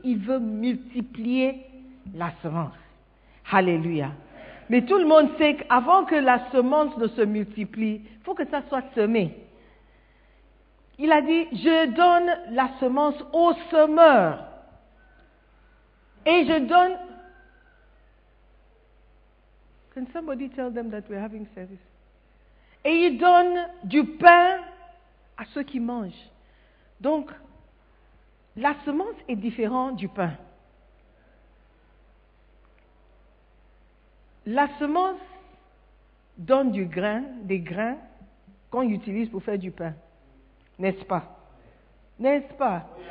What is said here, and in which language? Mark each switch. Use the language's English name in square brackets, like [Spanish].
[French] Il veut multiplier la semence. Alléluia. Mais tout le monde sait qu'avant que la semence ne se multiplie, il faut que ça soit semé. Il a dit, je donne la semence au semeur. Et je donne... [English] Can somebody tell them that we're having service? [French] Et il donne du pain à ceux qui mangent. Donc, la semence est différente du pain. La semence donne du grain, des grains qu'on utilise pour faire du pain. N'est-ce pas? N'est-ce pas?